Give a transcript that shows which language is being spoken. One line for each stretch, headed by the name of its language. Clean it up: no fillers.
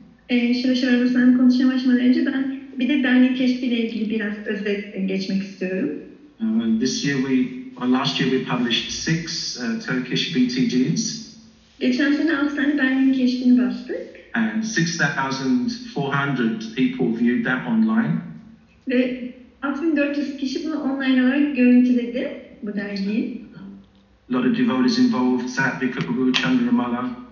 Turkish: Şöyle şöyle bir sen konuşmaya başlamadan önce ben bir de dernek keşfiyle ilgili biraz özet geçmek istiyorum.
English: Last year we published 6 Turkish BTGs.
Turkish: Geçen sene 6 tane dernek keşfini bastık.
English: And 6,400 people viewed that online.
Turkish: Ve 6,400 kişi bunu online olarak görüntüledi bu dergiyi.
English: A lot of devotees involved, Satvik Prabhu Chandramala.